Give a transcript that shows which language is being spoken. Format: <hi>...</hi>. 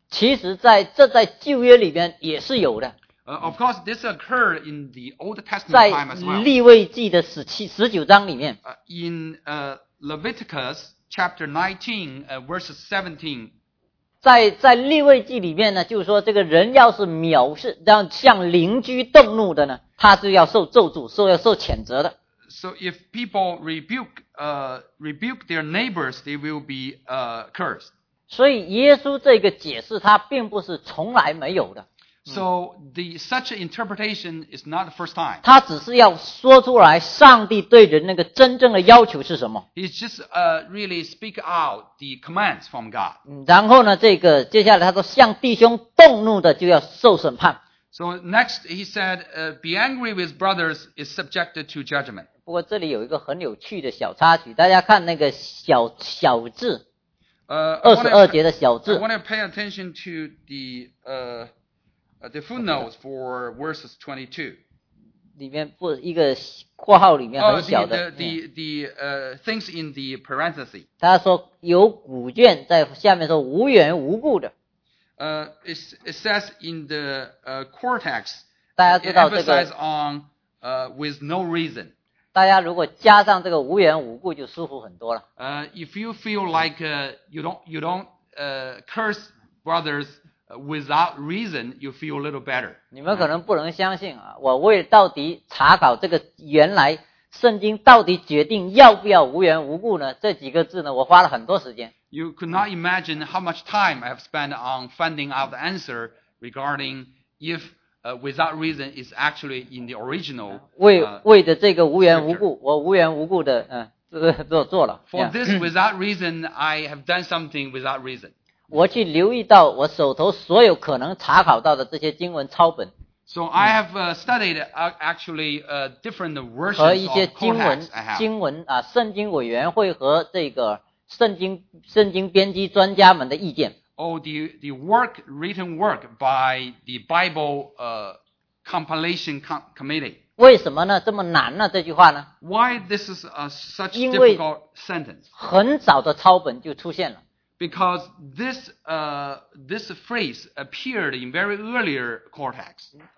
<zh>其实在旧约里边也是有的。</zh> <en>Of course, this occurred in the Old Testament time as well.</en> <zh>在利未记的十九章里面。</zh> <en>In Leviticus chapter 19, verses 17.</en> <zh>在利未记里面呢，就是说这个人要是藐视，让向邻居动怒的呢，他是要受咒诅，是要受谴责的。</zh> <en>So if people rebuke their neighbors, they will be cursed.</en> <zh>所以耶稣这个解释他并不是从来没有的。</zh> <en>So the such interpretation is not the first time.</en> <zh>他只是要说出来上帝对人那个真正的要求是什么。</zh> <en>He's just really speak out the commands from God.</en> <zh>然后呢这个接下来他说向弟兄动怒的就要受审判。</zh> <en>So next he said, be angry with brothers is subjected to judgment.</en> <zh>不过这里有一个很有趣的小插曲，大家看那个小字。 22节的小字。</zh> <en>I want to pay attention to the footnotes for verses 22.</en> <zh>里面不一个括号里面很小的。</zh> <en>Things in the parenthesis.</en> <zh>他说有古卷在下面说无缘无故的。</zh> <en>It says in the cortex.</en> <zh>大家知道这个。</zh> <en>Emphasize on with no reason.</en> <zh>大家如果加上这个无缘无故就舒服很多了。</zh> <en>If you feel like you don't curse brothers,without reason, you feel a little better.</en> <zh>你们可能不能相信啊，我为到底查考这个原来圣经到底决定要不要无缘无故呢？这几个字呢，我花了很多时间。</zh> <en>You could not imagine how much time I have spent on finding out the answer regarding if without reason is actually in the original.</en> <zh>为的这个无缘无故，我无缘无故的做了。</zh> <en>For this without reason, I have done something without reason.</en> <zh>我去留意到我手头所有可能查考到的这些经文抄本。</zh> <en>So I have studied actually different versions</en> <zh>和一些经文啊，圣经委员会和这个圣经编辑专家们的意见。</zh> <en>Oh, the work written work by the Bible compilation committee.</en> <zh>为什么呢？这么难呢？这句话呢</zh> <en>？Why this is a such difficult sentence?</en> <zh>很早的抄本就出现了。</zh> <en>Because this phrase appeared in very earlier cortex.</en>